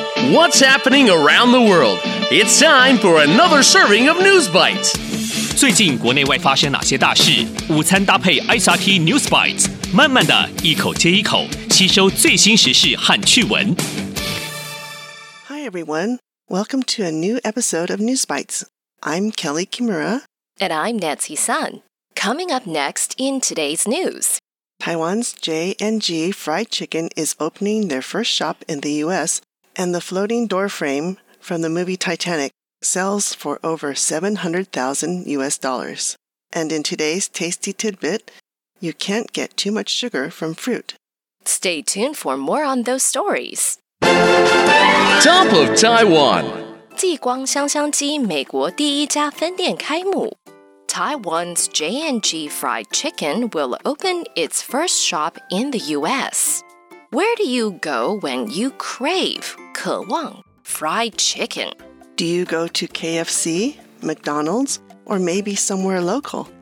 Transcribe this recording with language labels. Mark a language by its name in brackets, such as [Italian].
[English] what's happening around the world. It's time for another serving of News Bites. [Chinese] 最近国内外发生哪些大事？午餐搭配 SRT News Bites， 慢慢的一口接一口，吸收最新时事和趣闻。 [English] Hi everyone, welcome to a new episode of News Bites. I'm Kelly Kimura. And I'm Nancy Sun. Coming up next in today's news. Taiwan's J&G Fried Chicken is opening their first shop in the U.S., and the floating doorframe from the movie Titanic sells for over $700,000. And in today's tasty tidbit, you can't get too much sugar from fruit. Stay tuned for more on those stories. Top of Taiwan! [Chinese] 继光香香鸡美国第一家分店开幕。 [English] Taiwan's J&G Fried Chicken will open its first shop in the U.S. Where do you go when you crave, 渴望, fried chicken? Do you go to KFC, McDonald's, or maybe somewhere local?